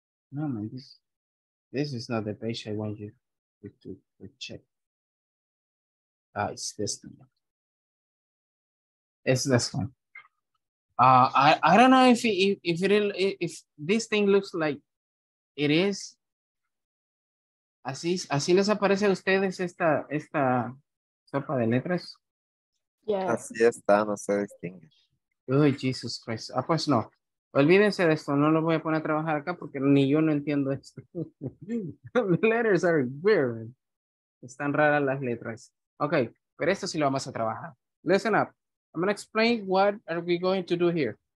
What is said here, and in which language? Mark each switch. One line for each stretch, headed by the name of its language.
English: No, man, this is not the page I want you to check. It's this one. It's this one. I don't know if this thing looks like it is.
Spanish: Así les aparece a ustedes esta sopa de letras.
English: Yes.
Spanish: Así está, no se distingue. Uy, Jesus Christ. Ah, pues no. Olvídense de esto. No lo voy a poner a trabajar acá porque ni yo no entiendo esto.
English: The letters are weird.
Spanish: Están raras las letras. Okay, pero esto sí lo vamos a trabajar.
English: Listen up. I'm going to explain what are we going to do here.